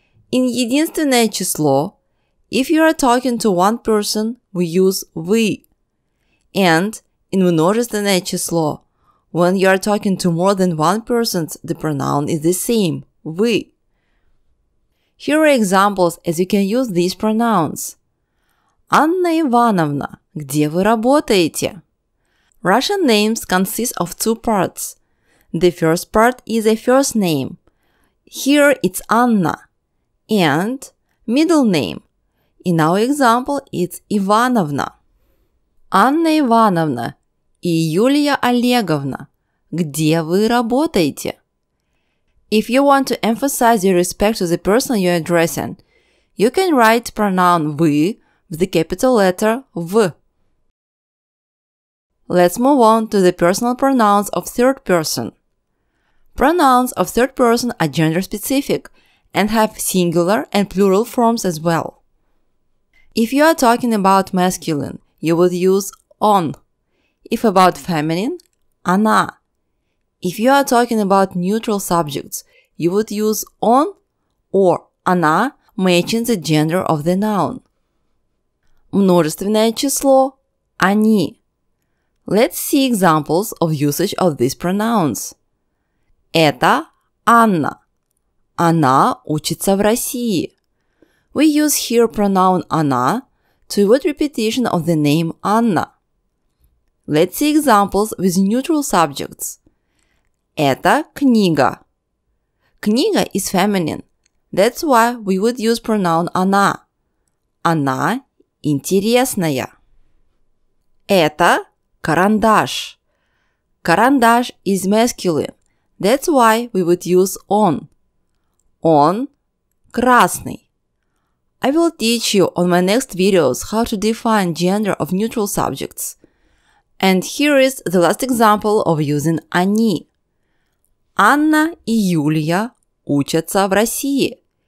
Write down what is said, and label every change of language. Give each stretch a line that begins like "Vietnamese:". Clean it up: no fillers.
English: In единственное число, if you are talking to one person, we use вы. And in множественное число, when you are talking to more than one person, the pronoun is the same, вы. Here are examples as you can use these pronouns.
Russian: Анна Ивановна, где вы работаете?
English: Russian names consist of two parts. The first part is a first name. Here it's Anna. And middle name. In our example, it's Ivanovna. Анна Ивановна и Юлия Олеговна, где вы работаете? If you want to emphasize your respect to the person you're addressing, you can write pronoun вы with the capital letter В. Let's move on to the personal pronouns of third person. Pronouns of third person are gender specific and have singular and plural forms as well. If you are talking about masculine, you would use он. If about feminine, она. If you are talking about neutral subjects, you would use он or она, matching the gender of the noun.
Russian: Множественное число – они.
English: Let's see examples of usage of these pronouns.
Russian: Это Анна. Она учится в России.
English: We use here pronoun она to avoid repetition of the name Anna. Let's see examples with neutral subjects.
Russian: Это книга.
English: Книга is feminine. That's why we would use pronoun она.
Russian: Она интересная. Это карандаш.
English: Карандаш is masculine. That's why we would use он.
Russian: Он красный.
English: I will teach you on my next videos how to define gender of neutral subjects. And here is the last example of using они.
Russian: Анна и Юлия учатся в России.